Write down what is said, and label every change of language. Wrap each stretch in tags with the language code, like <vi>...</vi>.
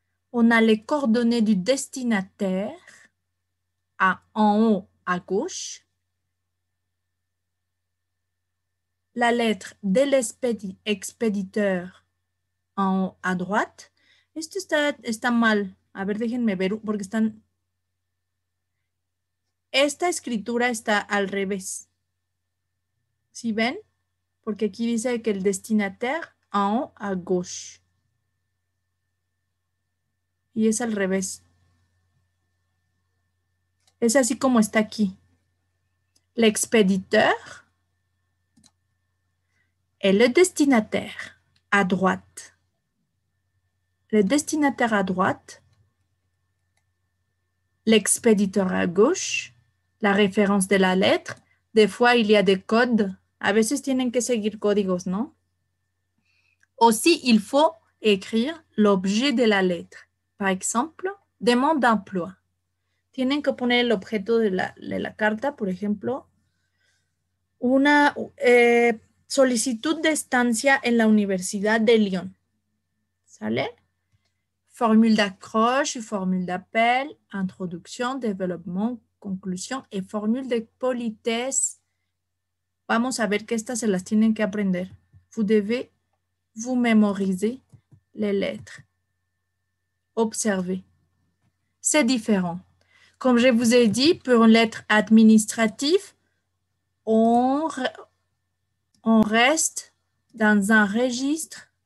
<fr>On a les coordonnées du destinataire en haut à gauche. La lettre de l'expéditeur en haut à droite.</fr> <es>Esto está mal. A ver, déjenme ver porque están. Esta escritura está al revés. Si ven, porque aquí dice que el</es> <fr>destinataire en haut à gauche.</fr> <es>Y es al revés. Es así como está aquí.</es> <fr>L'expéditeur et le destinataire à droite. Le destinataire à droite, l'expéditeur à gauche, la référence de la lettre. Des fois, il y a des codes.</fr> <es>A veces tienen que seguir códigos, ¿no?</es> <fr>Aussi, il faut écrire l'objet de la lettre. Par exemple, demande d'emploi.</fr> <es>Tienen que poner el objeto de la carta, por ejemplo. Una solicitud de estancia en la Universidad de Lyon. ¿Sale?</es> <fr>Formule d'accroche, formule d'appel, introduction, développement, conclusion y formule de politesse.</fr> <es>Vamos a ver que estas se las tienen que aprender.</es> <fr>Vous devez vous memoriser les lettres. Observez. C'est différent. Comme je vous ai dit, pour une lettre administrative, on reste dans un registre.</fr>